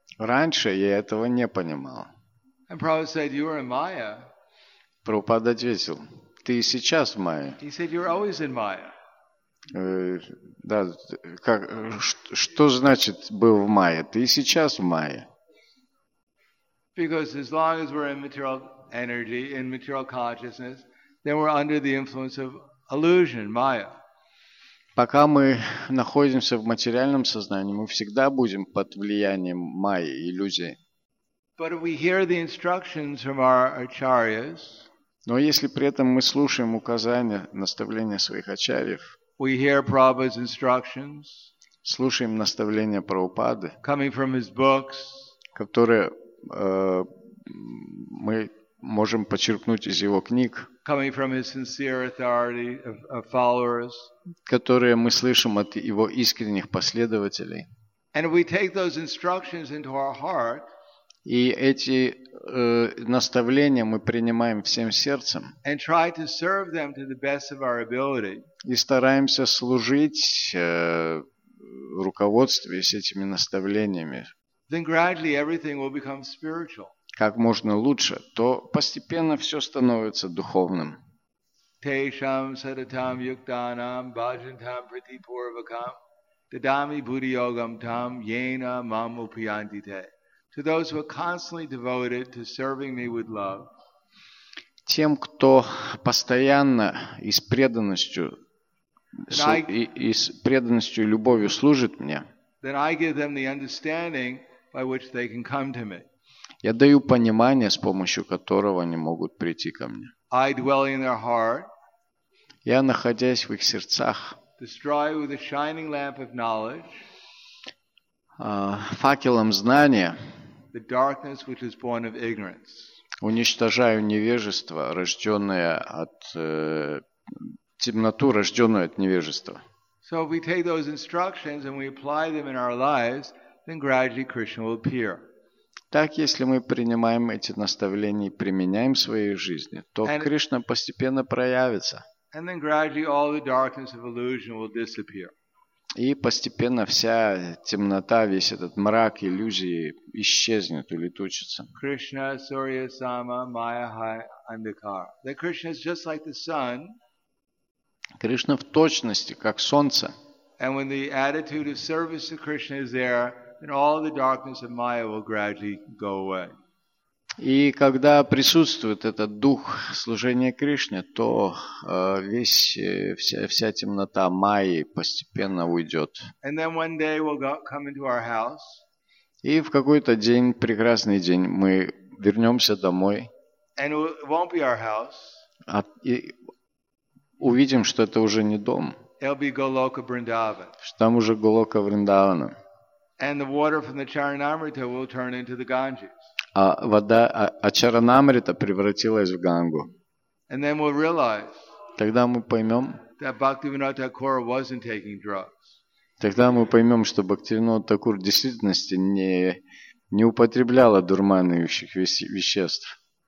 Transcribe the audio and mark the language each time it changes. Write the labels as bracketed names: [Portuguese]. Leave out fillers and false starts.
[Russian] Раньше я этого не понимал. [English] And Prabhupada said, "You are in Maya." [Russian] Прабхупада ответил: "Ты сейчас в Майе." [English] He said, "You're always in Maya." [Russian] Да, как, что значит был в Майе? Ты сейчас в Майе. [English] Because as long as we're in material energy, in material consciousness, then we're under the influence of illusion, Maya. [Russian] Пока мы находимся в материальном сознании, мы всегда будем под влиянием майи, иллюзии. [English] But if we hear the instructions from our acharyas, [Russian] но если при этом мы слушаем указания, наставления своих ачарьев, [English] we hear Prabhupada's instructions, [Russian] слушаем наставления Прабхупады, [English] coming from his books, [Russian] которые мы можем почерпнуть из его книг, [English] coming from his sincere authority of followers, [Russian] которые мы слышим от его искренних последователей. [English] And if we take those instructions into our heart, [Russian] и эти наставления мы принимаем всем сердцем, [English] and try to serve them to the best of our ability, [Russian] и стараемся служить руководствуясь этими наставлениями, [English] then gradually everything will become spiritual. [Russian] Как можно лучше, то постепенно все становится духовным. [Sanskrit] Tesham sadatam yuktanam bhajantam priti purvakam didami buddhi yogam tam yena mam upyantite. [English] To those who are constantly devoted to serving me with love. [Russian] Тем, кто постоянно и с преданностью, и любовью служит мне, [English] then I give them the understanding by which they can come to me. [Russian] Я даю понимание, с помощью которого они могут прийти ко мне. [English] I dwell in their heart, [Russian] я, находясь в их сердцах, [English] destroy with the shining lamp of knowledge, [Russian] факелом знания, [English] the darkness which is born of ignorance. [Russian] Уничтожаю невежество, рожденное от темноту, рожденную от невежества. [English] So if we take those instructions and we apply them in our lives, then gradually Krishna will appear. [Russian] Так, если мы принимаем эти наставления и применяем в своей жизни, то Кришна постепенно проявится. [English] And then gradually all the darkness of illusion will disappear. [Russian] И постепенно вся темнота, весь этот мрак, иллюзии исчезнет, улетучится. [Sanskrit] Krishna, Surya, Sama, Maya, Hai, Andhakar. [English] That Krishna is just like the sun. [Russian] Кришна в точности, как солнце. [English] And when the attitude of service to Krishna is there, then all the darkness of Maya will gradually go away. [Russian] И когда присутствует этот дух служения Кришне, то вся темнота Майи постепенно уйдет. [English] And then one day we'll come into our house. [Russian] И в какой-то день, прекрасный день, мы вернемся домой. [English] And it won't be our house. [Russian] И увидим, что это уже не дом. [English] It'll be Goloka Vrindavan. [Russian] Что там уже Голока Вриндавана. [English] And the water from the Charanamrita will turn into the Ganges. [Russian] А вода Ачаранамрита превратилась в Гангу. [English] And then we'll realize, [Russian] тогда мы поймем, [English] that Bhaktivinoda Thakura wasn't taking drugs. [Russian] Тогда мы поймем, что Бхактивинода Такур в действительности не употребляла дурманивших веществ.